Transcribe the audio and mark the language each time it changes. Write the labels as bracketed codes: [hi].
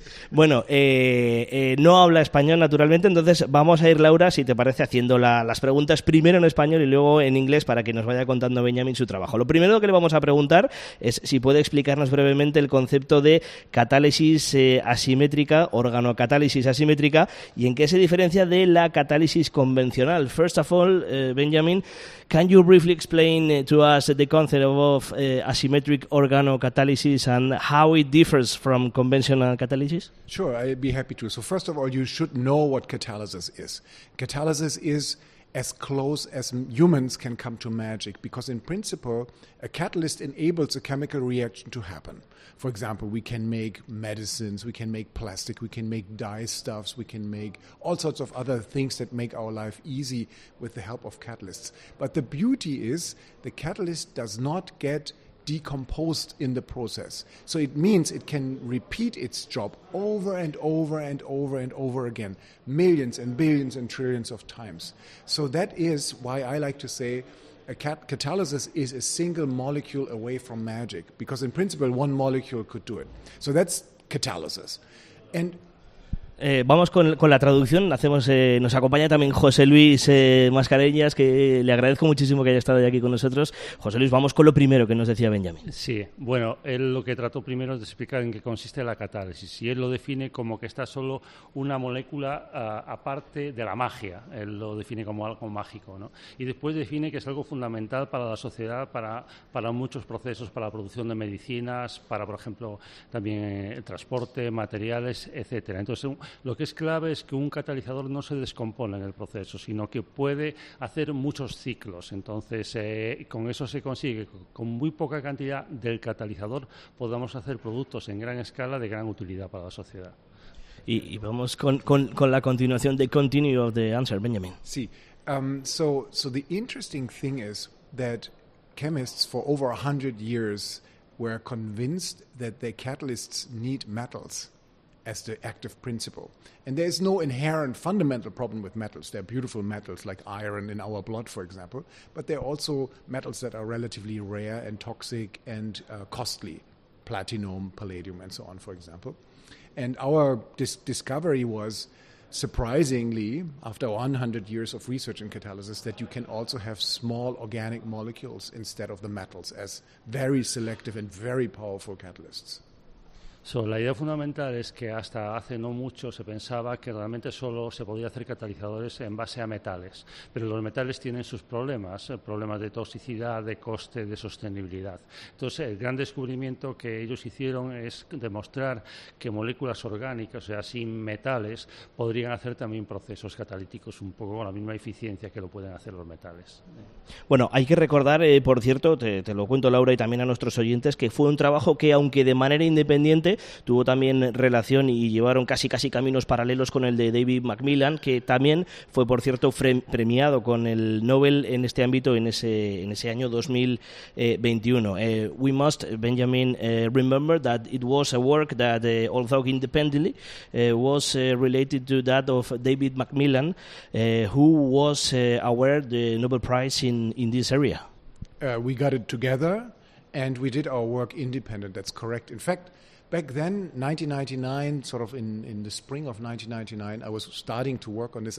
[es] Bueno, no habla español naturalmente, entonces vamos a ir, Laura, si te parece, haciendo las preguntas primero en español y luego en inglés para que nos vaya contando Benjamin su trabajo. Lo primero que le vamos a preguntar es si puede explicarnos brevemente el concepto de catálisis asimétrica, organocatálisis asimétrica, y en qué se diferencia de la catálisis convencional. [en] First of all, Benjamin, can you briefly explain to us the concept of asymmetric organocatálisis and how it differs from conventional catalysis? Sure, I'd be happy to. So first of all, you should know what catalysis is. Catalysis is as close as humans can come to magic, because in principle, a catalyst enables a chemical reaction to happen. For example, we can make medicines, we can make plastic, we can make dye stuffs, we can make all sorts of other things that make our life easy with the help of catalysts. But the beauty is the catalyst does not get decomposed in the process. So it means it can repeat its job over and over and over and over again, millions and billions and trillions of times. So that is why I like to say catalysis is a single molecule away from magic, because in principle one molecule could do it. So that's catalysis. And [es] Vamos con la traducción. Nos acompaña también José Luis Mascareñas, que le agradezco muchísimo que haya estado aquí con nosotros. José Luis, vamos con lo primero que nos decía Benjamin. Sí, bueno, él lo que trató primero es de explicar en qué consiste la catálisis, y él lo define como que está solo una molécula aparte de la magia. Él lo define como algo mágico, ¿no? Y después define que es algo fundamental para la sociedad, para muchos procesos, para la producción de medicinas, para, por ejemplo, también el transporte, materiales, etcétera. Entonces, lo que es clave es que un catalizador no se descompone en el proceso, sino que puede hacer muchos ciclos. Entonces, con eso se consigue, con muy poca cantidad del catalizador, podamos hacer productos en gran escala de gran utilidad para la sociedad. Y vamos con la continuación, [en] the continue of the answer, [es] Benjamin. Sí. [en] So the interesting thing is that chemists for over 100 years were convinced that the catalysts need metals as the active principle. And there is no inherent fundamental problem with metals. They're beautiful metals like iron in our blood, for example, but they're also metals that are relatively rare and toxic and costly, platinum, palladium, and so on, for example. And our discovery was, surprisingly, after 100 years of research in catalysis, that you can also have small organic molecules instead of the metals as very selective and very powerful catalysts. [es] So, la idea fundamental es que hasta hace no mucho se pensaba que realmente solo se podía hacer catalizadores en base a metales, pero los metales tienen sus problemas, problemas de toxicidad, de coste, de sostenibilidad. Entonces, el gran descubrimiento que ellos hicieron es demostrar que moléculas orgánicas, o sea, sin metales, podrían hacer también procesos catalíticos un poco con la misma eficiencia que lo pueden hacer los metales. Bueno, hay que recordar, por cierto, te lo cuento, Laura, y también a nuestros oyentes, que fue un trabajo que, aunque de manera independiente, tuvo también relación y llevaron casi caminos paralelos con el de David Macmillan, que también fue, por cierto, premiado con el Nobel en este ámbito en ese año 2021. [en] We must, Benjamin, remember that it was a work that, although independently, was related to that of David Macmillan, who was awarded the Nobel Prize in this area. We got it together. And we did our work independent, that's correct. In fact, back then, 1999, sort of in the spring of 1999, I was starting to work on this.